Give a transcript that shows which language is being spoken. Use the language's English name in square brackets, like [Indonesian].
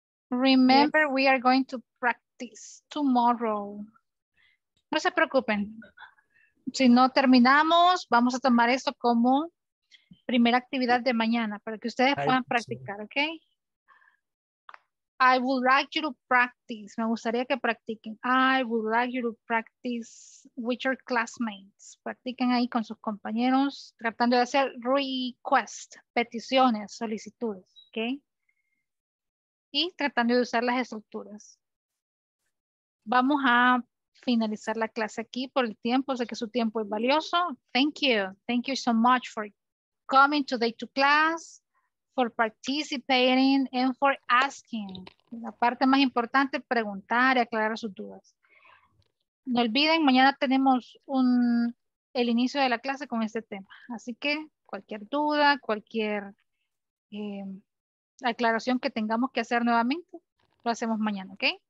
[English] Remember, we are going to practice tomorrow. [Spanish] No se preocupen. Si no terminamos, vamos a tomar esto como primera actividad de mañana para que ustedes puedan practicar, ¿ok? [English] I would like you to practice. [Spanish] Me gustaría que practiquen. [English] I would like you to practice with your classmates. [Spanish] Practiquen ahí con sus compañeros, tratando de hacer requests, peticiones, solicitudes, ¿ok? Y tratando de usar las estructuras. Vamos a finalizar la clase aquí por el tiempo. Sé que su tiempo es valioso. [English] Thank you so much for coming today to class. For participating and for asking. [Spanish] La parte más importante, preguntar y aclarar sus dudas. No olviden, mañana tenemos el inicio de la clase con este tema. Así que cualquier duda, cualquier aclaración que tengamos que hacer nuevamente, lo hacemos mañana, ¿ok?